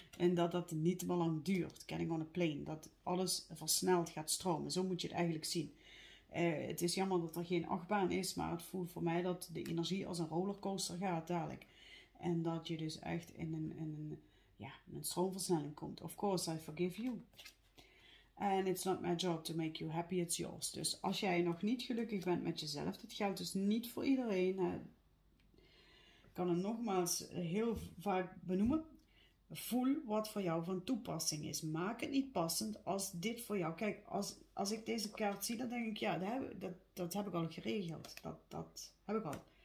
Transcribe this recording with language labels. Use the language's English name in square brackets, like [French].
[Dutch] En dat dat niet meer lang duurt. [English] Getting on a plane. [Dutch] Dat alles versneld gaat stromen. Zo moet je het eigenlijk zien. Het is jammer dat er geen achtbaan is, maar het voelt voor mij dat de energie als een rollercoaster gaat dadelijk. En dat je dus echt in een stroomversnelling komt. [English] Of course, I forgive you. And it's not my job to make you happy, it's yours. [Dutch] Dus als jij nog niet gelukkig bent met jezelf, dat geldt dus niet voor iedereen. Ik kan het nogmaals heel vaak benoemen. Voel wat voor jou van toepassing is. Maak het niet passend als dit voor jou. Kijk, als ik deze kaart zie, dan denk ik, ja, dat heb ik al geregeld. Dat heb ik al.